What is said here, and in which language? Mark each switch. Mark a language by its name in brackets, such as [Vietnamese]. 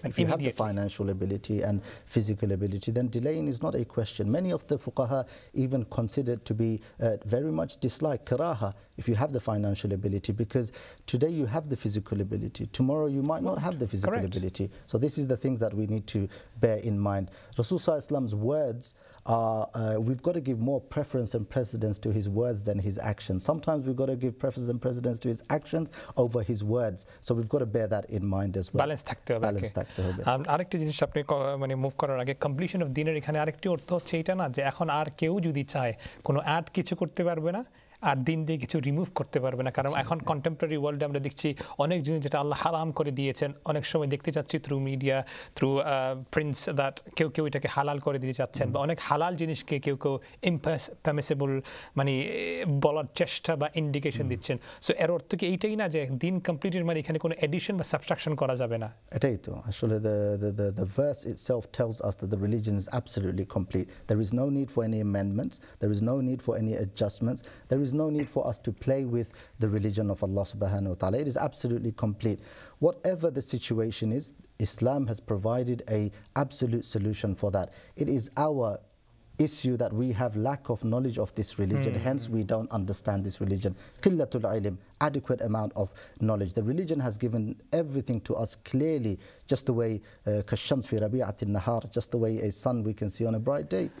[English] If you have the financial ability and physical ability then delaying is not a question. Many of the ফুকাহা even consider to be very much dislike কারাহা if you have the financial ability, because today you have the physical ability, tomorrow you might not have the physical ability. So this is the things that we need to bear in mind. রাসূল সাল্লাল্লাহু আলাইহি ওয়াসাল্লামস words we've got to give more preference and precedence to his words than his actions. Sometimes we've got to give preference and precedence to his actions over his words. So we've got to bear that in mind as well. [Bangla] Balance থাকতে হবে, balance থাকতে হবে। আরেকটি জিনিস আপনি মানে move করার আগে কমপ্লিশন অফ দিনের এখানে আরেকটি অর্থ হচ্ছে এটা না যে এখন আর কেউ যদি চায় কোনো অ্যাড কিছু করতে পারবে না আর দিন দিয়ে কিছু রিমুভ করতে পারবে না, কারণ এখন কন্টেম্পোরারি ওয়ার্ল্ডে আমরা দেখছি অনেক জিনিস যেটা আল্লাহ হারাম করে দিয়েছেন অনেক সময় দেখতে চাচ্ছি through media through prints that কেউ কেউ এটাকে হালাল করে দিতে চাচ্ছেন বা অনেক হালাল জিনিসকে কেউ কেউ ইম্পারমিসেবল মানে বলার চেষ্টা বা ইন্ডিকেশন দিচ্ছেন। সো এর অর্থ কি এইটাই না যে দিন কমপ্লিটের মানে এখানে কোনো এডিশন বা সাবস্ট্রাকশন করা যাবে না? [English] এটাই তো আসলে the verse itself tells us that the religion is absolutely complete, there is no need for any amendments, there is no need for any adjustments, there is no need for us to play with the religion of Allah subhanahu wa ta'ala. It is absolutely complete. Whatever the situation is, Islam has provided a absolute solution for that. It is our issue that we have lack of knowledge of this religion, hence we don't understand this religion. Qillatul ilm, adequate amount of knowledge. The religion has given everything to us clearly, just the way [Arabic] kashams fi rabi'atin nahar, [English] just the way a sun we can see on a bright day.